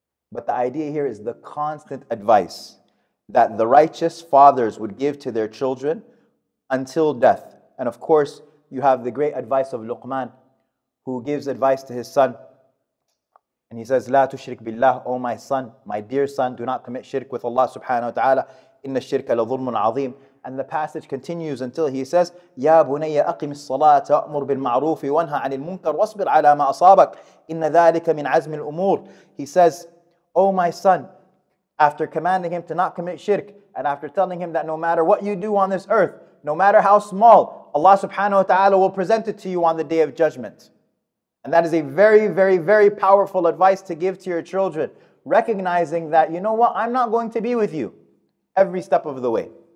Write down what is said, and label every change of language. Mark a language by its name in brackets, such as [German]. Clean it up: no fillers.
[English] But the idea here is the constant advice that the righteous fathers would give to their children until death. And of course, you have the great advice of Luqman, who gives advice to his son. And he says, [Arabic] لا تشرك بالله, [English] O my son, my dear son, do not commit shirk with Allah subhanahu wa ta'ala. [Arabic] إِنَّ الشِّرْكَ لَظُلْمٌ عَظِيمٌ. [English] And the passage continues until he says, [Arabic] يَا بُنَيَّ أَقِمِ الصَّلَاةَ وَأْمُرْ بِالْمَعْرُوفِ وَانْهَ عَنِ الْمُنْكَرِ وَاصْبِرْ عَلَى مَا أَصَابَكَ إِنَّ ذَلِكَ مِنْ عَزْمِ الْأُمُورِ. [English] He says, oh my son, after commanding him to not commit shirk, and after telling him that no matter what you do on this earth, no matter how small, Allah subhanahu wa ta'ala will present it to you on the day of judgment. And that is a very, very, very powerful advice to give to your children, recognizing that, you know what, I'm not going to be with you every step of the way.